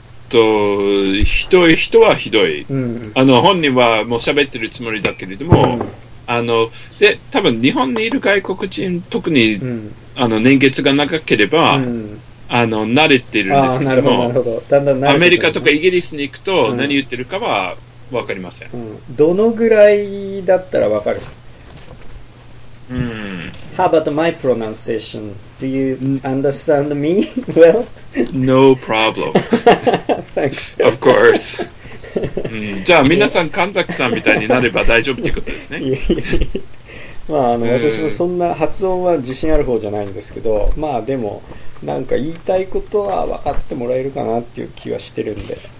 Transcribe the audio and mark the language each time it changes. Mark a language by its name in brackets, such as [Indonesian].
[Japanese] ひどい人はひどい、本人はもう喋ってるつもりだけれども、で多分日本にいる外国人、特に、年月が長ければ、慣れてるんですけども、アメリカとかイギリスに行くと何言ってるかは分かりません、どのぐらいだったら分かる。 [English] How about my pronunciation? Do you understand me well? No problem. Thanks. Of course. [Japanese] じゃあ皆さん神崎さんみたいになれば大丈夫ということですね。まあ私もそんな発音は自信ある方じゃないんですけど、まあでもなんか言いたいことは分かってもらえるかなっていう気はしてるんで、